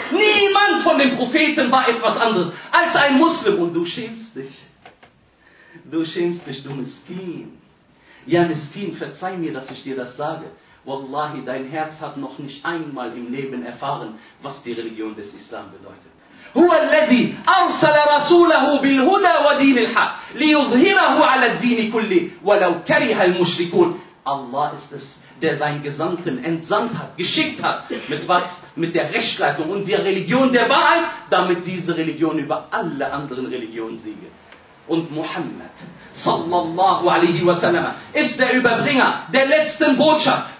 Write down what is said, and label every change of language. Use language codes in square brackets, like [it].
[de] Niemand von den Propheten war etwas anderes als ein Muslim. Und du schämst dich. Du schämst dich, du Miskin. Ja, Miskin, verzeih mir, dass ich dir das sage. Wallahi, dein Herz hat noch nicht einmal im Leben erfahren, was die Religion des Islam bedeutet. [ar] هو الذي أرسل رسوله بالهدى ودين الحق ليظهره على الدين كله ولو كره المشركون. [de] Allah ist es, der seinen Gesandten entsandt hat, geschickt hat. Mit was? Mit der Rechtleitung und der Religion der Wahrheit, damit diese Religion über alle anderen Religionen siege. Und Muhammad, sallallahu alaihi wa sallam, ist der Überbringer der letzten Botschaft.